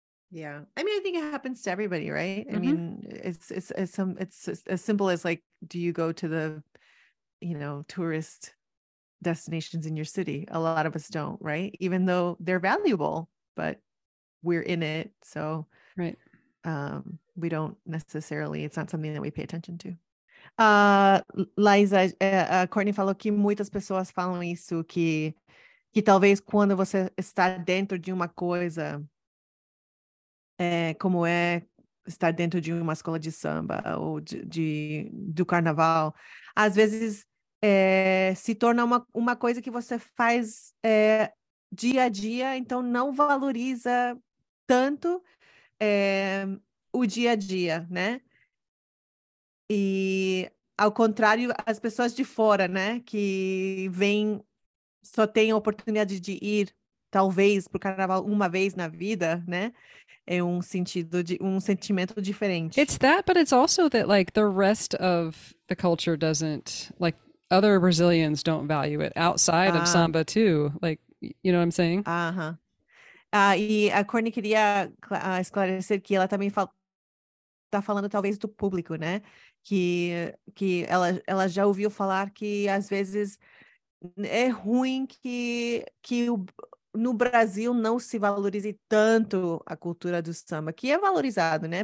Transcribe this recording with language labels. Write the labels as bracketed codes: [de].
[en] Yeah. I mean, I think it happens to everybody, right? Mm-hmm. I mean, it's as simple as like, do you go to the, you know, tourist destinations in your city? A lot of us don't, right? Even though they're valuable, but we're in it. So right. We don't necessarily, it's not something that we pay attention to. [pt] Laísa, Courtney falou que muitas pessoas falam isso, que talvez quando você está dentro de uma coisa, como é estar dentro de uma escola de samba ou do carnaval, às vezes se torna uma coisa que você faz dia a dia, então não valoriza tanto o dia a dia, né? E ao contrário, as pessoas de fora, né, que vêm, só têm a oportunidade de ir, talvez, para o carnaval uma vez na vida, né? É sentimento diferente. [en] It's that, but it's also that like the rest of the culture doesn't, like other Brazilians don't value it outside of samba too. Like, you know what I'm saying? [pt] E a Courtney queria esclarecer que ela também tá falando talvez do público, né? Que ela já ouviu falar que às vezes é ruim que no Brasil não se valorize tanto a cultura do samba, que é valorizado, né?